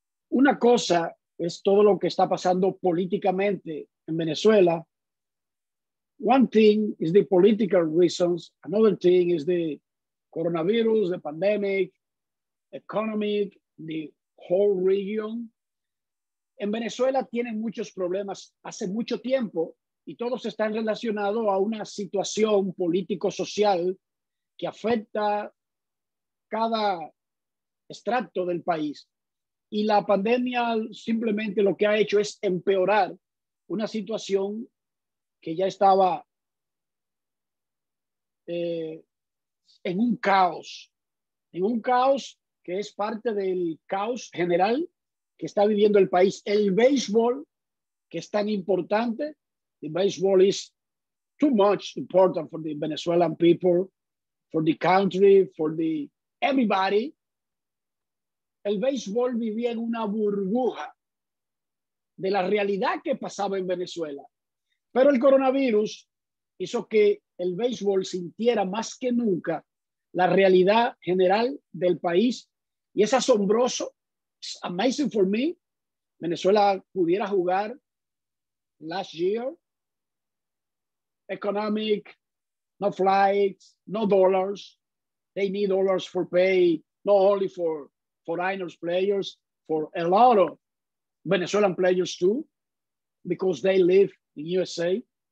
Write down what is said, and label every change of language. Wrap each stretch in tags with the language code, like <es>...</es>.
<es>Una cosa es todo lo que está pasando políticamente en Venezuela.</es> <en>One thing is the political reasons. Another thing is the coronavirus, the pandemic, economic, the whole region.</en> <es>En Venezuela tienen muchos problemas hace mucho tiempo y todos están relacionados a una situación político-social que afecta cada estrato del país. Y la pandemia simplemente lo que ha hecho es empeorar una situación que ya estaba en un caos. En un caos que es parte del caos general que está viviendo el país. El béisbol, que es tan importante,</es> <en>the baseball is too much important for the Venezuelan people, for the country, for the everybody.</en> <es>El béisbol vivía en una burbuja de la realidad que pasaba en Venezuela. Pero el coronavirus hizo que el béisbol sintiera más que nunca la realidad general del país. Y es asombroso,</es> <en>it's amazing for me,</en> <es>Venezuela pudiera jugar</es> <en>last year, economic, no flights, no dollars, they need dollars for pay, not only for foreigners players, for a lot of Venezuelan players too, because they live in USA.</en>